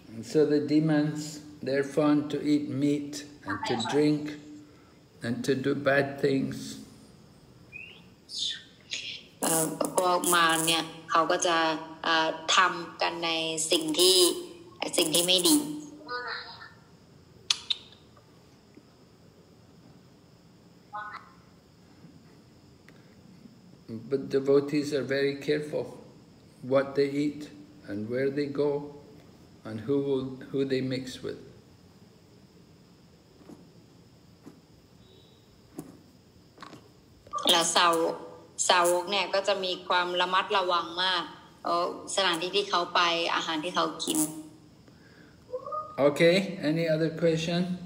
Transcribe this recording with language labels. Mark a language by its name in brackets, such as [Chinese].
[English] So the demons they're fond to eat meat and to drink and to do bad things. [Thai] พวกมารเนี่ยเขาก็จะทำกันในสิ่งที่ไม่ดี [English] But devotees are very careful what they eat and where they go and who they mix with. [Thai] แล้วสาวกเนี่ยก็จะมีความระมัดระวังมากสถานที่ที่เขาไปอาหารที่เขากิน [English] โอเค any other question